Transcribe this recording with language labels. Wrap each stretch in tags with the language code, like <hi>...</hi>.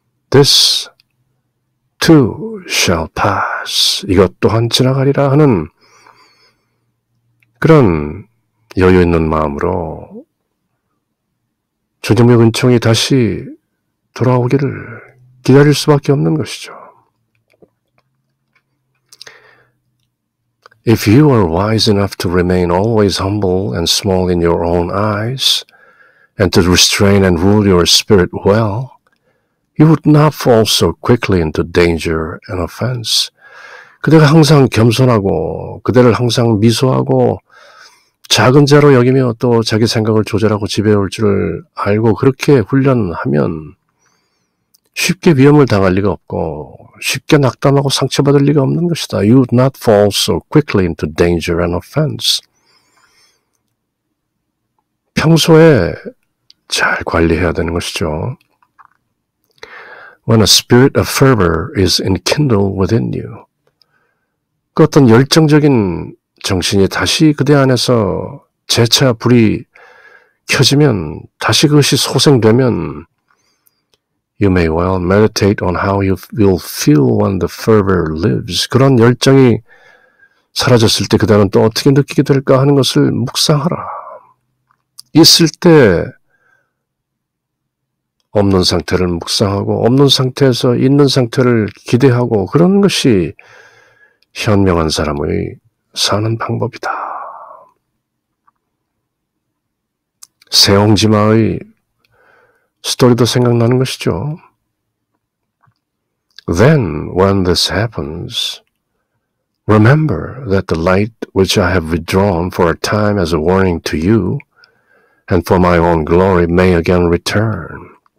<en>This too shall pass.</en> <ko>이것 또한 지나가리라 하는 그런 여유 있는 마음으로 주님의 은총이 다시 돌아오기를 기다릴 수밖에 없는 것이죠.</ko> <en>If you are wise enough to remain always humble and small in your own eyes, and to restrain and rule your spirit well, you would not fall so quickly into danger and offense.</en> <ko>그대가 항상 겸손하고 그대를 항상 미소하고 작은 자로 여기며 또 자기 생각을 조절하고 지배할 줄을 알고 그렇게 훈련하면 쉽게 위험을 당할 리가 없고 쉽게 낙담하고 상처받을 리가 없는 것이다.</ko> <en>You would not fall so quickly into danger and offense.</en> <ko>평소에 잘 관리해야 되는 것이죠.</ko> <en>When a spirit of fervor is enkindled within you.</en> <ko>그 어떤 열정적인 정신이 다시 그대 안에서 재차 불이 켜지면 다시 그것이 소생되면</ko> <en>You may well meditate on how you will feel when the fervor lives.</en> <ko>그런 열정이 사라졌을 때 그대는 또 어떻게 느끼게 될까 하는 것을 묵상하라. 있을 때 없는 상태를 묵상하고 없는 상태에서 있는 상태를 기대하고 그런 것이 현명한 사람의 사는 방법이다. 세옹지마의 스토리도 생각나는 것이죠.</ko> <en>Then when this happens, remember that the light which I have withdrawn for a time as a warning to you and for my own glory may again return.</en>